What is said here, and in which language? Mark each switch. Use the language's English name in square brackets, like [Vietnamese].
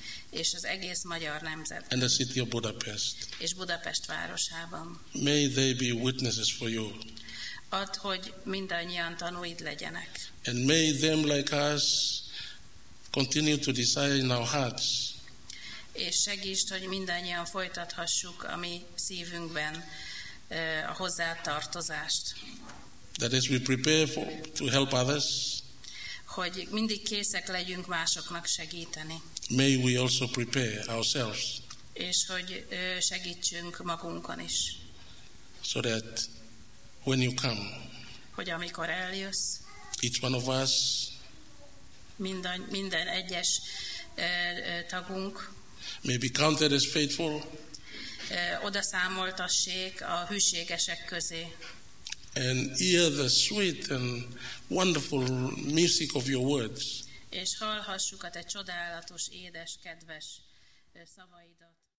[Hungarian] és az egész magyar nemzet. [English] And the city of Budapest. [Hungarian] És Budapest városában. [English] May they be witnesses for you. [Hungarian] Add, hogy mindannyian tanúid legyenek. [English] And may them like us continue to desire in our hearts. [Hungarian] És segítsd, hogy mindannyian folytathassuk a mi szívünkben a hozzátartozást. [English] That as we prepare to help others, [Hungarian] hogy mindig készek legyünk másoknak segíteni. [English] May we also prepare ourselves. [Hungarian] És hogy segítsünk magunkon is. [English] So that when you come, [Hungarian] hogy amikor eljössz, [English] each one of us, [Hungarian] minden egyes tagunk, [English] may be counted as faithful, [Hungarian] odaszámoltassék a hűségesek közé. [English] And hear the sweet and wonderful music of your words. [Hungarian] És hallhassuk a te csodálatos, édes, kedves szavaidat.